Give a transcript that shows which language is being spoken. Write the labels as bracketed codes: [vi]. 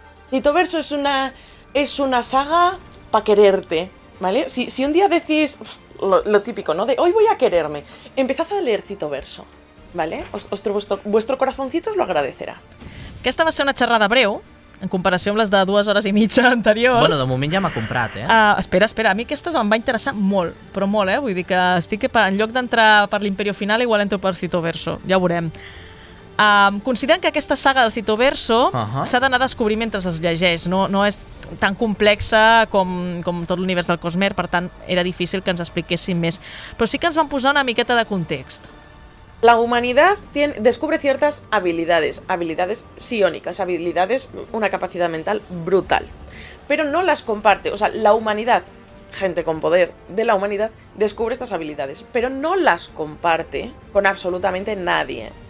[es] Tito Verso es una saga para quererte, ¿vale? Si un día decís lo típico, ¿no? De hoy voy a quererme, empezad a leer Tito Verso, ¿vale? Vuestro corazoncito os lo agradecerá. [ca] Aquesta va ser una xerrada breu, en comparació amb les de dues hores i mitja anteriors. Bueno, de moment ja m'ha comprat, eh? Espera, a mi aquestes em va interessar molt, però molt, eh? Vull dir que estic en lloc d'entrar per l'Imperio Final, igual entro per Tito Verso, ja ho veurem. Considerem que aquesta saga del Tito Verso s'ha d'anar a descobrir mentre es llegeix, no és tan complexa com tot l'univers del Cosmer, per tant, era difícil que ens expliquessin més. Però sí que ens van posar una miqueta de context. [es] La humanidad descubre ciertas habilidades psiónicas, habilidades, una capacidad mental brutal, pero no las comparte. O sea, la humanidad, gente con poder de la humanidad, descubre estas habilidades, pero no las comparte con absolutamente nadie.